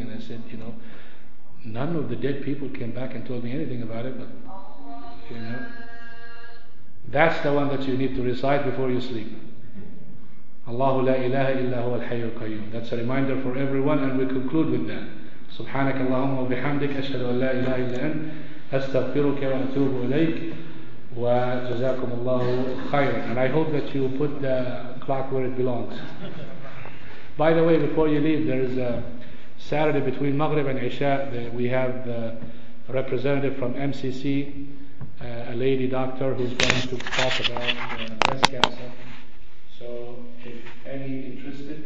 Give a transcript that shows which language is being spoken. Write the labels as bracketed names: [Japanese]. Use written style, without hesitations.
[English] And I said, you know, none of the dead people came back and told me anything about it, but you know, that's the one that you need to recite before you sleep. Allahu la ilaha illa huwa al-hayyul qayyum. That's a reminder for everyone, and we conclude with that. [Arabic] سبحانك اللهم وبحمدك أشهد أن لا إله إلا أنت أستغفرك وأتوب إليك وجزاكم الله خيرا. [English] And I hope that you put the clock where it belongs. By the way, before you leave, there is a Saturday between Maghrib and Isha that we have a representative from MCC, a lady doctor who's going to talk about breast cancer. So if any interest